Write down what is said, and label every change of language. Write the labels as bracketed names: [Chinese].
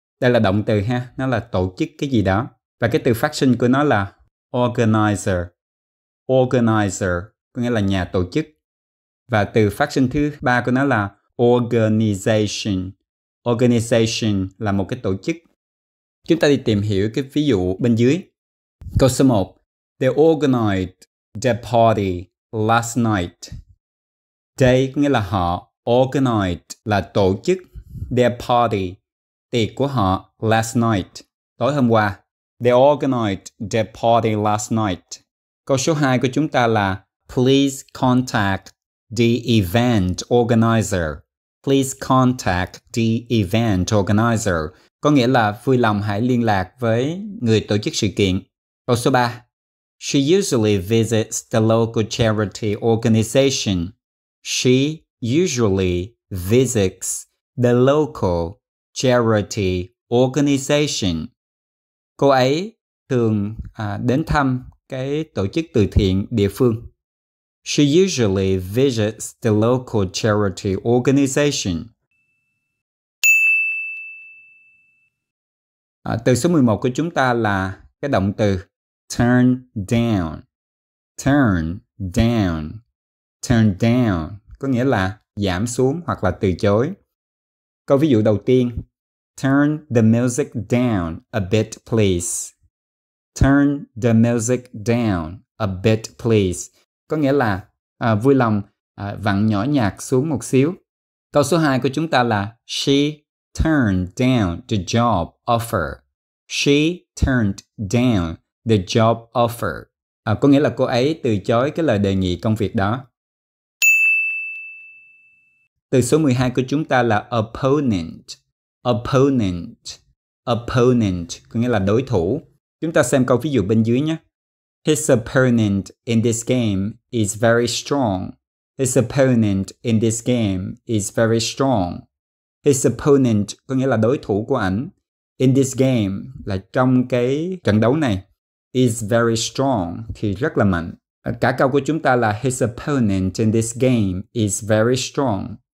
[Vietnamese] Đây là động từ ha, nó là tổ chức cái gì đó. Và cái từ phát sinh của nó là organizer. Organizer có nghĩa là nhà tổ chức. Và từ phát sinh thứ ba của nó là organization. Organization là một cái tổ chức. Chúng ta đi tìm hiểu cái ví dụ bên dưới. Câu số 1. [English] They organized their party last night. [Vietnamese] They có nghĩa là họ. Organized là tổ chức. [English] Their party, [Vietnamese] tiệc của họ. [English] Last night, [Vietnamese] tối hôm qua. [English] They organized their party last night. [Vietnamese] Câu số 2 của chúng ta là [English] please contact the event organizer. Please contact the event organizer. [Vietnamese] Có nghĩa là vui lòng hãy liên lạc với người tổ chức sự kiện. Câu số 3. [English] She usually visits the local charity organization. She usually visits the local charity organization. [Vietnamese] Cô ấy thường đến thăm cái tổ chức từ thiện địa phương. [English] She usually visits the local charity organization. [Vietnamese] Từ số 11 của chúng ta là cái động từ turn down. Turn down. Turn down có nghĩa là giảm xuống hoặc là từ chối. Câu ví dụ đầu tiên. [English] Turn the music down a bit, please. Turn the music down a bit, please. [Vietnamese] Có nghĩa là vui lòng vặn nhỏ nhạc xuống một xíu. Câu số 2 của chúng ta là [English] she turned down the job offer. She turned down the job offer. [Vietnamese] Có nghĩa là cô ấy từ chối cái lời đề nghị công việc đó. Từ số 12 của chúng ta là opponent. Opponent. Opponent có nghĩa là đối thủ. Chúng ta xem câu ví dụ bên dưới nhé. [English] His opponent in this game is very strong. His opponent in this game is very strong. His opponent [Vietnamese] có nghĩa là đối thủ của ảnh. [English] In this game [Vietnamese] là trong cái trận đấu này. [English] Is very strong [Vietnamese] thì rất là mạnh. Cả câu của chúng ta là [English] his opponent in this game is very strong.